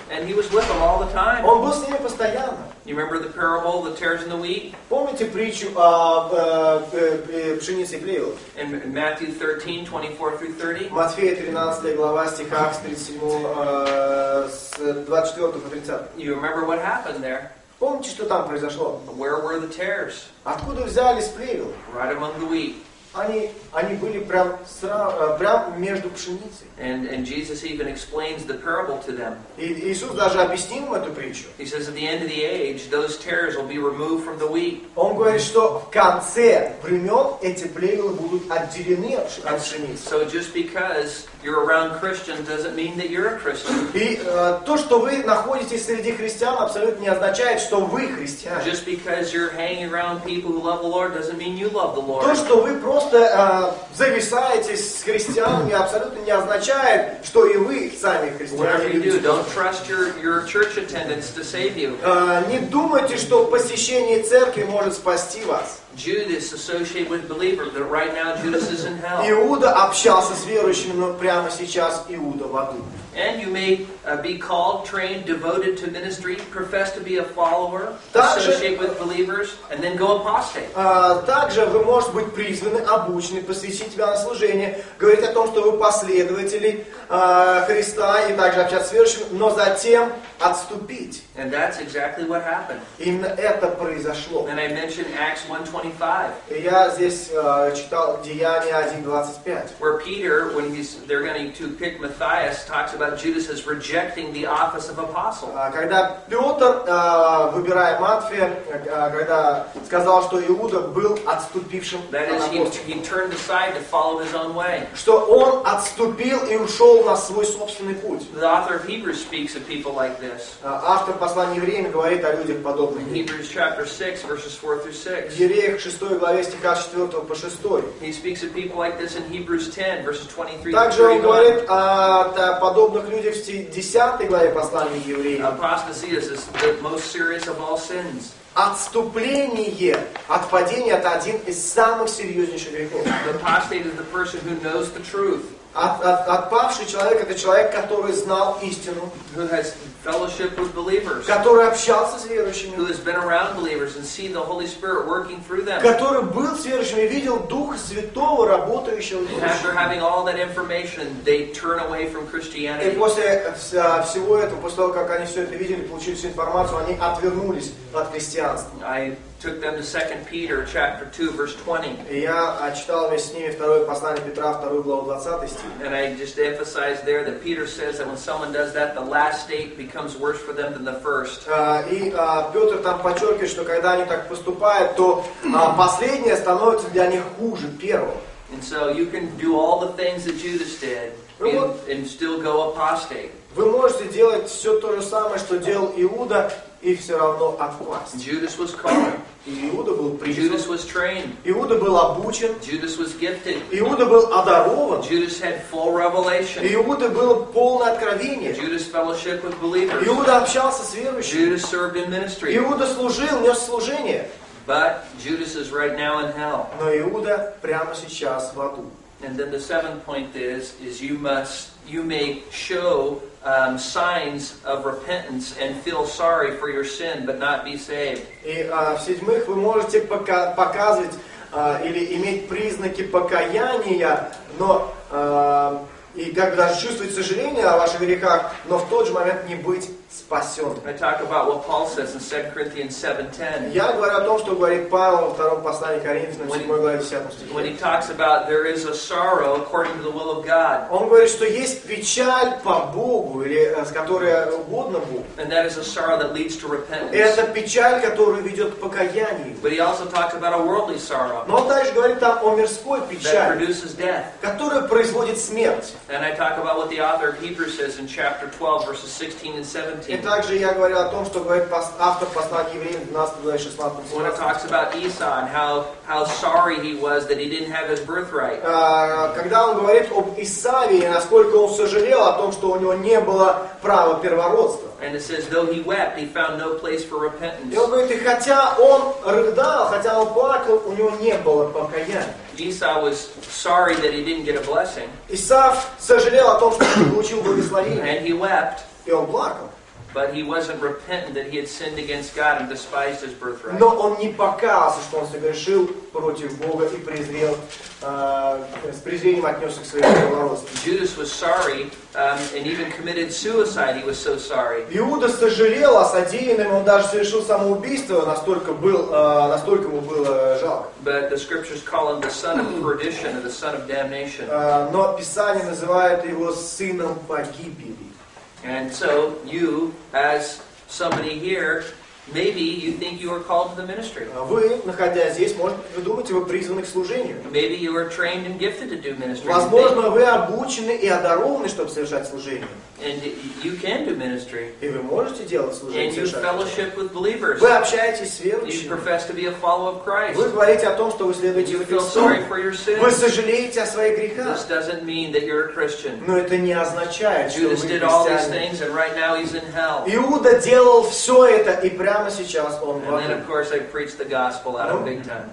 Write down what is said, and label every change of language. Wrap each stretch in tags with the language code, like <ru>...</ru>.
<en>And he was with them all the time.</en> <ru>Он был с ними постоянно.</ru> <en>You remember the parable, the tares and the wheat?</en> <ru>Помните притчу о пшенице и плевелах?</ru> <en>In Matthew 13, 24 through 30.</en> <ru>Матфея 13 глава стихах с 24 по 30.</ru> <en>You remember what happened there?</en> <ru>Помните, что там произошло?</ru> <en>Where were the tares?</en> <ru>Откуда взялись плевелы?</ru> <en>Right among the wheat.</en> <ru>Они были прям между пшеницей.</ru> <en>And Jesus even explains the parable to them.</en> <ru>Иисус даже объяснил им эту притчу.</ru> <en>He says at the end of the age, those tares will be removed from the wheat.</en> <ru>Он говорит, что в конце времен эти плевелы будут отделены от пшеницы.</ru> <en>So just because you're around Christians doesn't mean that you're a Christian.</en> <ru>И то, что вы находитесь среди христиан, абсолютно не означает, что вы христиане.</ru> <en>Just because you're hanging around people who love the Lord doesn't mean you love the Lord.</en> <ru>То, что вы просто зависаете с христианами, абсолютно не означает, что и вы сами христиане.</ru> <en>Whatever you do, don't trust your church attendance to save you.</en> <ru>Не думайте, что посещение церкви может спасти вас.</ru> <en>Judas associated with believers, but right now Judas is in hell.</en> <ru>Иуда общался с верующими, но прямо сейчас Иуда в аду.</ru> <en>And you may be called, trained, devoted to ministry, profess to be a follower,</en> <ru>также,</ru> <en>associate with believers, and then go apostate.</en> <ru>Также вы можете быть призваны, обучены, посвятить себя на служение, говорить о том, что вы последователи Христа, и также общаться с верующими, но затем отступить.</ru> <en>And that's exactly what happened.</en> <ru>Именно это произошло.</ru> <en>And I mentioned Acts 1:25.</en> <ru>Я здесь читал Деяния 1:25.</ru> <en>Where Peter, when they're going to pick Matthias, talks about Judas as rejecting the office of apostle.</en> <ru>Когда Петр, выбирая Матфея, когда сказал, что Иуда был отступившим на апостол.</ru> <en>That is, he turned aside to follow his own way.</en> <ru>Что он отступил и ушел на свой собственный путь.</ru> <en>The author of Hebrews speaks of people like</en> <ru>Автор послания евреям говорит о людях подобных.</ru> <en>Hebrews chapter 6 verses 4 through 6.</en> <ru>В Евреях 6 главе стиха 4 по 6.</ru> <en>He speaks of people like this in Hebrews 10 verses 23.</en> <ru>Также он говорит о подобных людях в 10 главе послания евреям.</ru> <en>Apostasy is the most serious of all sins.</en> <ru>Отступление, отпадение это один из самых серьезнейших грехов.</ru> <en>The apostate is the person who knows the truth.</en> <ru>Отпавший человек это человек, который знал истину,</ru> <en>who has fellowship with believers,</en> <ru>который общался с верующими,</ru> <en>who has been around believers and seen the Holy Spirit working through them,</en> <ru>который был с верующими и видел Духа Святого работающего в верующих.</ru> <en>After having all that information, they turn away from Christianity.</en> <ru>И после всего этого, после того как они все это видели, получили всю информацию, они отвернулись от христианства.</ru> <en>Took them to 2 Peter chapter 2 verse 20.</en> <ru>Я читал вместе с ними второе послание Петра, вторую главу 20 стих.</ru> <en>And I just emphasized there that Peter says that when someone does that, the last state becomes worse for them than the first.</en> <ru>Петр там подчеркивает, что когда они так поступают, то последнее становится для них хуже первого.</ru> <en>And so you can do all the things that Judas did and still go apostate.</en> <ru>Вы можете делать все то же самое, что делал Иуда, и все равно отпасть.</ru> <en>Judas was called.</en> <ru>Иуда был призван.</ru> <en>Judas was trained.</en> <ru>Иуда был обучен.</ru> <en>Judas was gifted.</en> <ru>Иуда был одарован.</ru> <en>Judas had full revelation.</en> <ru>Иуда было полное откровение.</ru> <en>Judas fellowship with believers.</en> <ru>Иуда общался с верующими.</ru> <en>Judas served in ministry.</en> <ru>Иуда служил, нес служение.</ru> <en>But Judas is right now in hell.</en> <ru>Но Иуда прямо сейчас в аду.</ru> <en>And then the seventh point is you may show signs of repentance and feel sorry for your sin, but not be saved.</en> <ru>И в седьмых вы можете показывать или иметь признаки покаяния, но и как бы даже чувствовать сожаление о ваших грехах, но в тот же момент не быть спасен.</ru> <en>I talk about what Paul says in 2 Corinthians 7:10.</en> <ru>Я говорю о том, что говорит Павел во втором послании Коринфянам, 7 главе 10 стихе.</ru> <en>When he talks about there is a sorrow according to the will of God.</en> <ru>Он говорит, что есть печаль по Богу, или с которой угодно Богу.</ru> <en>And that is a sorrow that leads to repentance.</en> <ru>И это печаль, которая ведет к покаянию.</ru> <en>But he also talks about a worldly sorrow.</en> <ru>Но он также говорит там о мирской печали,</ru> <en>that produces death.</en> <ru>Которая производит смерть.</ru> <en>And I talk about what the author of Hebrews says in chapter 12, verses 16 and 17.</en> <ru>И также я говорю о том, что говорит автор послания евреям 12, 16.</ru> <en>When it talks about Esau and how sorry he was that he didn't have his birthright.</en> <ru>Когда он говорит об Исаве, насколько он сожалел о том, что у него не было права первородства.</ru> <en>And it says, though he wept, he found no place for repentance.</en> <ru>И он говорит, и хотя он рыдал, хотя он плакал, у него не было покаяния.</ru> <en>Esau was sorry that he didn't get a blessing.</en> <ru>Исав сожалел о том, что не получил благословение.</ru> <en>And he wept.</en> <ru>И он плакал.</ru> <en>But he wasn't repentant that he had sinned against God and despised his birthright.</en> <ru>Но он не покаялся, что он согрешил против Бога и презрел, с презрением отнесся к своему первородству.</ru> <en>Judas was sorry and even committed suicide. He was so sorry.</en> <ru>Иуда сожалел о содеянном, он даже совершил самоубийство, настолько ему было жалко.</ru> <en>But the scriptures call him the son of perdition and the son of damnation.</en> <ru>Но Писание называет его сыном погибели.</ru> <en>And so you, as somebody here, maybe you think you are called to the ministry.</en> <ru>Вы, находясь здесь, можете вы думаете, вы призваны к служению.</ru> <en>Maybe you are trained and gifted to do ministry.</en> <ru>Возможно, вы обучены и одарованы, чтобы совершать служение.</ru> <en>And you can do ministry.</en> <ru>И вы можете делать служение.</ru> <en>And you fellowship with believers.</en> <ru>Вы общаетесь с верующими.</ru> <en>You profess to be a follower of Christ.</en> <ru>Вы говорите о том, что вы следуете</ru> <en>Христу. You feel sorry for your sins.</en> <ru>Вы сожалеете о своих грехах.</ru> <en>This doesn't mean that you're a Christian.</en> <ru>Но это не означает, что вы</ru> <en>Judas did all these things, and right now he's in hell.</en> <ru>Иуда делал все это, и прямо прямо сейчас он</ru> <en>And then, of course, I preached the gospel out of big time.</en>